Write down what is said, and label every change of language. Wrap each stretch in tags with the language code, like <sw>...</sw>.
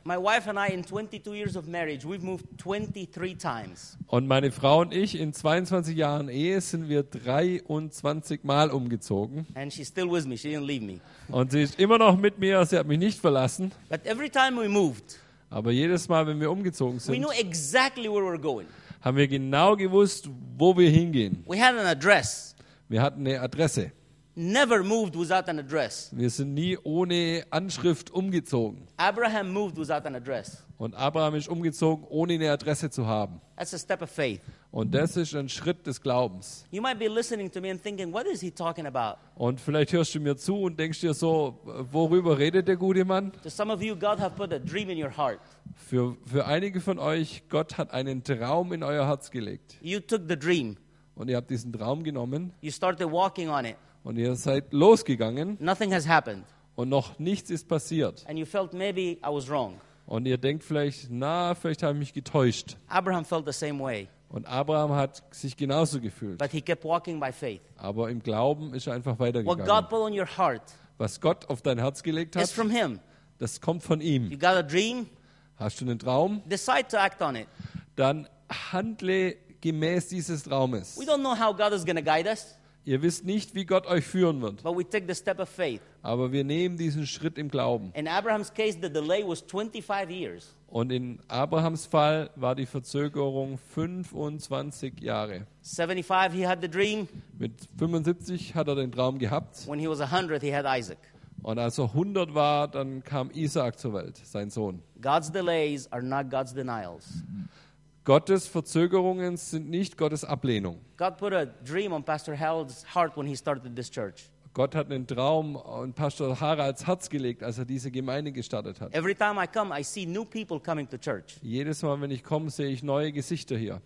<en>My wife and I in 22 years of marriage, we've moved 23 times.</en> <de>Und meine Frau und ich in 22 Jahren Ehe sind wir 23 Mal umgezogen.</de> <en>And she's still with me. She didn't leave me.</en> <de>Und sie ist immer noch mit mir, sie hat mich nicht verlassen.</de> <en>But every time we moved,</en> <de>aber jedes Mal, wenn wir umgezogen sind,</de> <en>we knew exactly where we're going.</en> <de>Haben wir genau gewusst, wo wir hingehen.</de> <en>We had an address.</en> <de>Wir hatten eine Adresse.</de> <en>Never moved without an address.</en> <de>Wir sind nie ohne Anschrift umgezogen.</de> <en>Abraham moved without an address.</en> <de>Und Abraham ist umgezogen, ohne eine Adresse zu haben.</de> <en>That's a step of faith.</en> <de>Und das ist ein Schritt des Glaubens.</de> <en>You might be listening to me and thinking, what is he talking about?</en> <de>Und vielleicht hörst du mir zu und denkst dir so, worüber redet der gute Mann?</de> <en>To some of you, God have put a dream in your heart.</en> <de>Für einige von euch, Gott hat einen Traum in euer Herz gelegt.</de> <en>You took the dream.</en> <de>Und ihr habt diesen Traum genommen.</de> <en>You started walking on it.</en> <de>Und ihr seid losgegangen.</de> <en>Nothing has happened.</en> <de>Und noch nichts ist passiert.</de> <en>And you felt maybe I was wrong.</en> <de>Und ihr denkt vielleicht, na, vielleicht habe ich mich getäuscht.</de> <en>Abraham felt the same way.</en> <de>Und Abraham hat sich genauso gefühlt.</de> <en>But he kept walking by faith.</en> <de>Aber im Glauben ist er einfach weitergegangen.</de> <en>What God put on your heart,</en> <de>was Gott auf dein Herz gelegt hat,</de> <en>is from him.</en> <de>Das kommt von ihm.</de> <en>You got a dream?</en> <de>Hast du einen Traum?</de> <en>Decide to act on it.</en> <de>Dann handle gemäß dieses Traumes.</de> <en>We don't know how God is going to guide us.</en> <de>Ihr wisst nicht, wie Gott euch führen wird.</de> <en>But we take the step of faith.</en> <de>Aber wir nehmen diesen Schritt im Glauben.</de> <en>In Abraham's case, the delay was 25 years.</en> <de>Und in Abrahams Fall war die Verzögerung 25 Jahre.</de> <en>75, he had the dream.</en> <de>Mit 75 hat er den Traum gehabt.</de> <en>When he was 100, he had Isaac.</en> <de>Und als er 100 war, dann kam Isaac zur Welt, sein Sohn.</de> <en>God's delays are not God's denials.</en> <de>Gottes Verzögerungen sind nicht Gottes Ablehnung.</de> <en>God put a dream on Pastor Harold's heart when he started this church.</en> <de>Gott hat einen Traum in Pastor Haralds Herz gelegt, als er diese Gemeinde gestartet hat.</de> <en>Every time I come, I see new people coming to church.</en> <de>Jedes Mal, wenn ich komme, sehe ich neue Gesichter hier.</de>